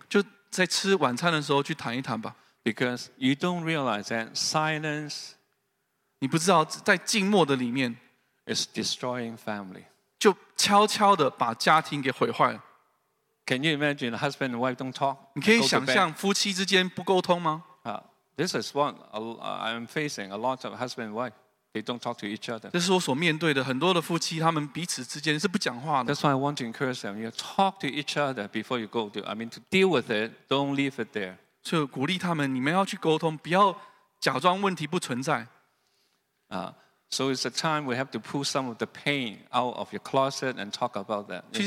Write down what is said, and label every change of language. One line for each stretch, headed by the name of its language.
Chinese: 就在吃晚餐的时候去谈一谈吧。
English: Because you don't realize that silence,
Chinese: 你不知道在静默的里面，
English: is destroying family.
Chinese: 就悄悄的把家庭给毁坏了。
English: Can you imagine a husband and wife don't talk?
Chinese: 你可以想象夫妻之间不沟通吗？
English: This is what I'm facing. A lot of husband and wife, they don't talk to each other.
Chinese: 这是我所面对的很多的夫妻，他们彼此之间是不讲话的。
English: That's why I want to encourage them. You talk to each other before you go to. I mean, to deal with it, don't leave it there.
Chinese: 就鼓励他们，你们要去沟通，不要假装问题不存在。
English: So it's a time we have to pull some of the pain out of your closet and talk about that.